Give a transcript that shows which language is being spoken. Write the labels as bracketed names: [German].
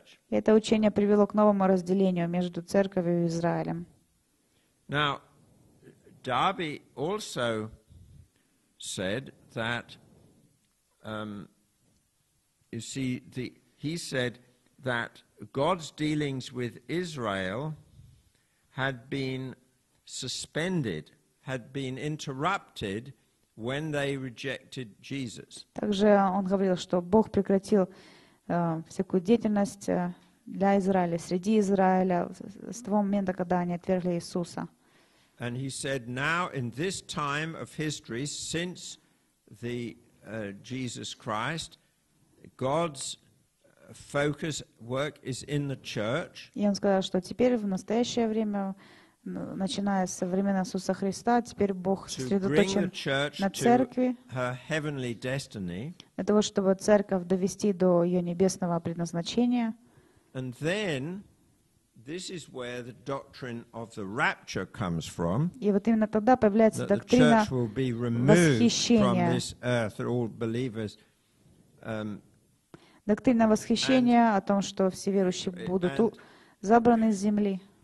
[Russian] Это учение привело к новому разделению между церковью и Израилем. [English] Now, Дарби also said that you see, he said that God's dealings with Israel had been suspended, had been interrupted when they rejected Jesus. [Russian] Также он говорил, что Бог прекратил всякую деятельность для Израиля, среди Израиля, с того момента, когда они отвергли Иисуса. [English] And he said, now in this time of history, since the Jesus Christ, God's focus work is in the church. [Russian] И он сказал, что теперь в настоящее время, начиная со времен Иисуса Христа, теперь Бог сосредоточен на церкви, [English] her heavenly destiny, [Russian] для того, чтобы церковь довести до ее небесного предназначения. [English] And then, this is where the doctrine of the rapture comes from. [Russian] И вот именно тогда появляется доктрина восхищения. [English] From this earth, all believers. [Russian] Доктрина восхищения о том, что все верующие будут забраны с земли.